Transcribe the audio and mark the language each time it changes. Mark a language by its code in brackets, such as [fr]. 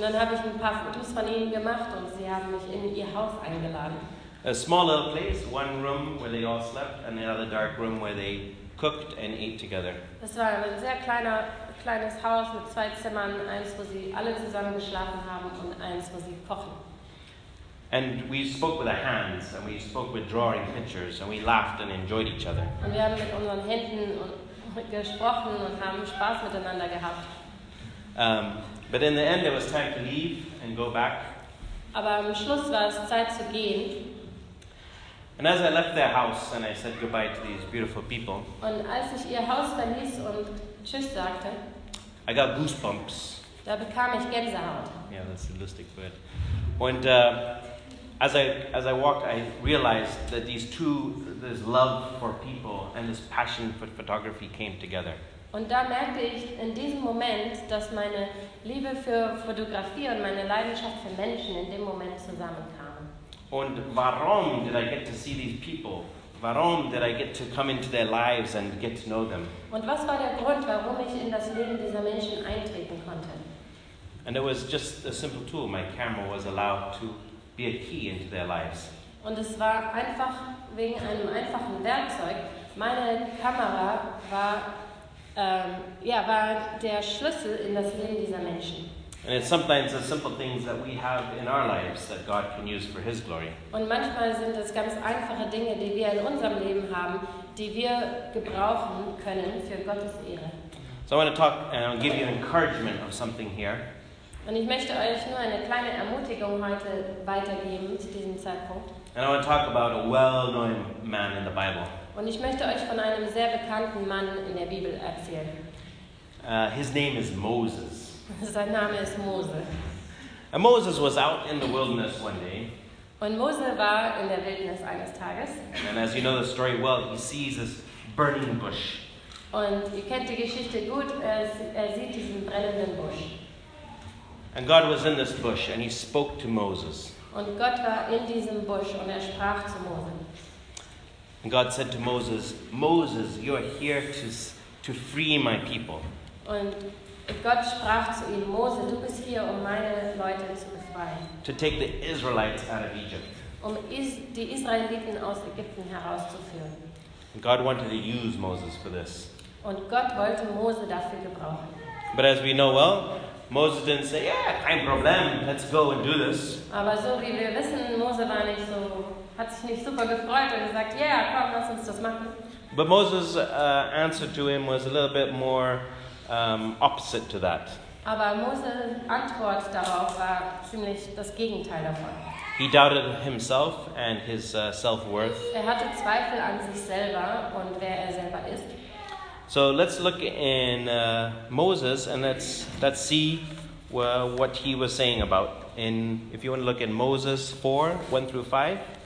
[de] Und dann habe ich ein paar Fotos von ihnen gemacht und sie haben mich in ihr Haus eingeladen. [en] A small little place, one room where they all slept, and the other dark room where they cooked and ate together. [de] Das war ein sehr kleines Haus mit zwei Zimmern, eins wo sie alle zusammen geschlafen haben und eins wo sie kochen. [en] And we spoke with our hands, and we spoke with drawing pictures, and we laughed and enjoyed each other. [de] Und wir haben mit unseren Händen gesprochen und haben Spaß miteinander gehabt. [en] But in the end, it was time to leave and go back. [de] Aber am Schluss war es Zeit zu gehen. [en] And as I left their house and I said goodbye to these beautiful people, [de] und als ich ihr Haus verließ und tschüss sagte, [en] I got goosebumps. [de] Da bekam ich Gänsehaut. [en] Yeah, that's a lustig word. And as I walked, I realized that this love for people and this passion for photography came together. [de] Und da merkte ich in diesem Moment, dass meine Liebe für Fotografie und meine Leidenschaft für Menschen in dem Moment zusammenkam. Und warum [en] did I get to see these people? [de] Warum [en] did I get to come into their lives and get to know them? [de] Und was war der Grund, warum ich in das Leben dieser Menschen eintreten konnte? [en] And it was just a simple tool. My camera was allowed to be a key into their lives. [de] Und es war einfach wegen einem einfachen Werkzeug. Meine Kamera war war der Schlüssel in das Leben dieser Menschen. [en] And it's sometimes the simple things that we have in our lives that God can use for His glory. [de] Und manchmal sind es ganz einfache Dinge, die wir in unserem Leben haben, die wir gebrauchen können für Gottes Ehre. [en] So I want to talk and give you an encouragement of something here. [de] Und ich möchte euch nur eine kleine Ermutigung heute weitergeben zu diesem Zeitpunkt. [en] And I want to talk about a well-known man in the Bible. [de] Und ich möchte euch von einem sehr bekannten Mann in der Bibel erzählen. [en] His name is Moses. [de] Sein Name ist Mose. [en] And Moses was out in the wilderness one day. [de] Und Mose war in der Wildnis eines Tages. [en] And as you know the story well, he sees this burning bush. [de] Und ihr kennt die Geschichte gut, er sieht diesen brennenden Busch. [en] And God was in this bush and he spoke to Moses. [de] Und Gott war in diesem Busch und er sprach zu Mose. [en] And God said to Moses, Moses, you are here to free my people. [de] Und Gott sprach zu ihm, Mose, du bist hier, um meine Leute zu befreien. [en] To take the Israelites out of Egypt. [de] Um die Israeliten aus Ägypten herauszuführen. [en] And God wanted to use Moses for this. [de] Und Gott wollte Mose dafür gebrauchen. [en] But as we know well, Moses didn't say, yeah, [de] kein Problem, [en] let's go and do this. [de] Aber so wie wir wissen, Mose war nicht so, hat sich nicht super gefreut und gesagt, yeah, komm, lass uns das machen. [en] But Moses' answer to him was a little bit more opposite to that. [de] Aber Moses' Antwort darauf war ziemlich das Gegenteil davon. [en] He doubted himself and his self-worth. [de] Er hatte Zweifel an sich selber und wer er selber ist. [en] So let's look in Moses and let's see what he was saying about. In if you want to look in Moses 4, 1 through 5.